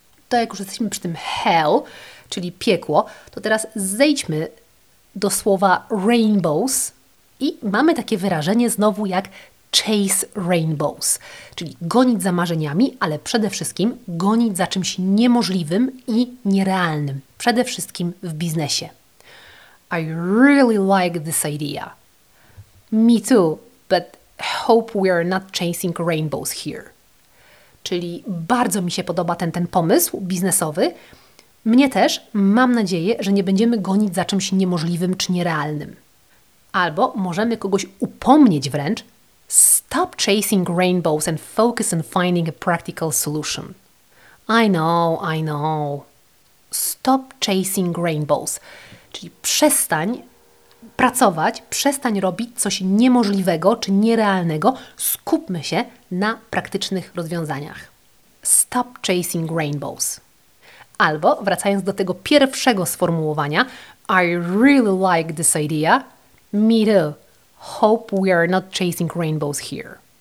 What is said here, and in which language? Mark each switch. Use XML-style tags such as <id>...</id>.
<pl>To jak już jesteśmy przy tym hell, czyli piekło, to teraz zejdźmy do słowa rainbows i mamy takie wyrażenie znowu jak chase rainbows, czyli gonić za marzeniami, ale przede wszystkim gonić za czymś niemożliwym i nierealnym, przede wszystkim w biznesie.</pl> <en>I really like this idea. Me too, but hope we are not chasing rainbows here.</en> <pl>Czyli bardzo mi się podoba ten pomysł biznesowy. Mnie też, mam nadzieję, że nie będziemy gonić za czymś niemożliwym czy nierealnym. Albo możemy kogoś upomnieć wręcz.</pl> <en>Stop chasing rainbows and focus on finding a practical solution. I know. Stop chasing rainbows.</en> <pl>Czyli przestań pracować, przestań robić coś niemożliwego czy nierealnego. Skupmy się na praktycznych rozwiązaniach.</pl> <en>Stop chasing rainbows.</en> <pl>Albo, wracając do tego pierwszego sformułowania,</pl> <en>I really like this idea. Me too. Hope we are not chasing rainbows here.</en>